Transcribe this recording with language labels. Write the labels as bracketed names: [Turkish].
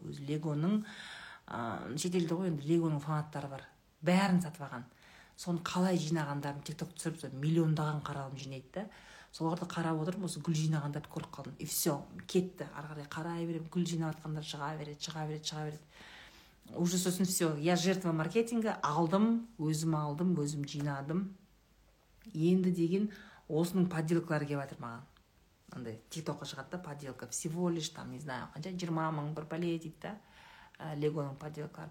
[Kazakh] Өз Lego-ның, шетелді ғой, Lego-ның фанаттары бар. Бәрін сатып алған. Соны қалай жинағандарын TikTok түсіріп, миллиондаған қаралым жинайды да. Соларды қарап отырып, осы гүл жинағандарды көріп қалдым. [Russian] И все, [Kazakh] кетті. Ары қарай қарай беремін, гүл жинап жатқандар шыға береді. [Russian] Уже сосын все, я жертва маркетинга, [Kazakh] алдым, өзім жинадым. Енді деген осының подделкалары келіп жатыр маған. Андай TikTok-қа шығады да, подделка, [Russian] всего лишь там, не знаю, [Kazakh] қанша, 20 мың бір пәле дейді да. Лего-ның подделкалары.